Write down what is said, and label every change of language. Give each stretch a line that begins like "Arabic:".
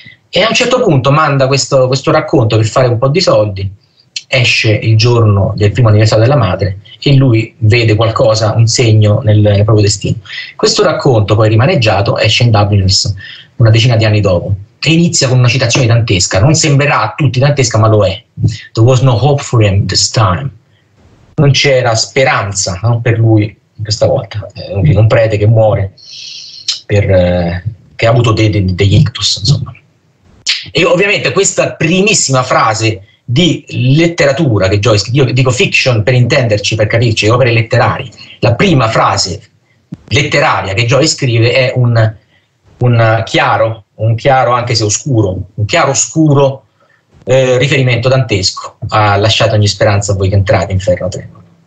Italian: E a un certo punto manda questo racconto per fare un po' di soldi, esce il giorno del primo anniversario della madre e lui vede qualcosa, un segno nel proprio destino. Questo racconto poi rimaneggiato esce in Dubliners una decina di anni dopo e inizia con una citazione dantesca. Non sembrerà a tutti dantesca, ma lo è.
English: There was no hope for him this time.
Italian: Non c'era speranza, no, per lui questa volta. Un prete che muore, che ha avuto degli ictus, insomma. E ovviamente questa primissima frase di letteratura che Joyce, io dico fiction per intenderci, per capirci, opere letterarie, la prima frase letteraria che Joyce scrive è un chiaro, anche se oscuro, un chiaro oscuro riferimento dantesco a lasciate ogni speranza a voi che entrate inferno tremo.